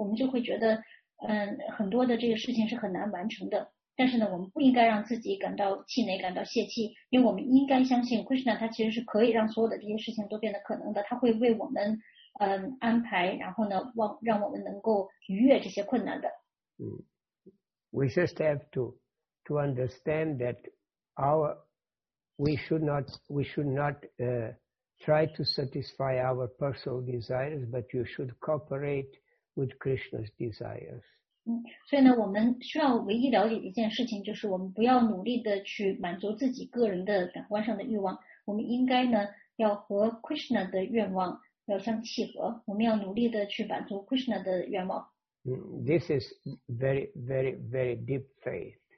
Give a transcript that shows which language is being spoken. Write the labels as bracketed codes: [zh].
[zh] 我们就会觉得，很多的这个事情是很难完成的。但是呢，我们不应该让自己感到气馁、感到泄气，因为我们应该相信 Krishna， 他其实是可以让所有的这些事情都变得可能的。他会为我们，安排，然后呢，让我们能够逾越这些困难的。 [en] We just have to understand that we should not try to satisfy our personal desires, but you should cooperate with Krishna's desires. [zh] 所以呢，我们需要唯一了解一件事情，就是我们不要努力的去满足自己个人的感官上的欲望，我们应该呢要和 Krishna 的愿望要相契合，我们要努力的去满足 Krishna 的愿望。 [en] This is very, very, very deep faith.